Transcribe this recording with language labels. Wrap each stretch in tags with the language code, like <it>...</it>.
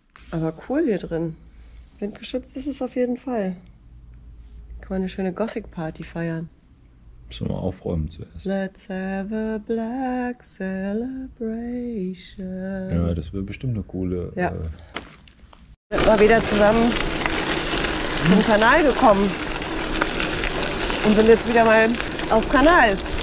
<de>Aber cool hier drin. Windgeschützt ist es auf jeden Fall. Kann man eine schöne Gothic-Party feiern. Schon mal aufräumen zuerst.</de> <en>Let's have a black celebration.</en> <de>Ja, das wäre bestimmt eine coole. Ja. Wir sind mal wieder zusammen zum Kanal gekommen. Und sind jetzt wieder mal auf Kanal.</de>